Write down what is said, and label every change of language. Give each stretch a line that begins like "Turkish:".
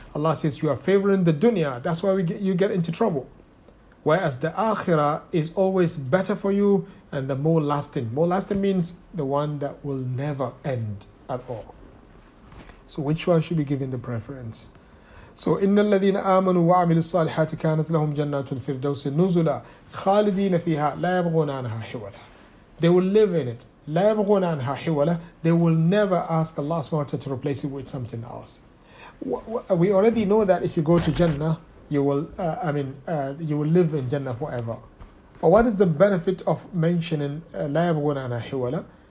English: Allah says, you are favoring the dunya. That's why you get into trouble. Whereas the akhirah is always better for you and the more lasting. More lasting means the one that will never end at all. So which one should be given the preference?
Arabic: So إن الذين آمنوا وعملوا الصالحات كانت لهم جنات الفردوس نزلا خالدين فيها لا يبغون عنها حولا.
English: They will live in it.
Arabic: لا يبغون عنها حولا.
English: They will never ask Allah subhanahu wa ta'ala to replace it with something else. We already know that if you go to Jannah, you will live in Jannah forever. But what is the benefit of mentioning
Arabic: لا يبغون عنها حولا?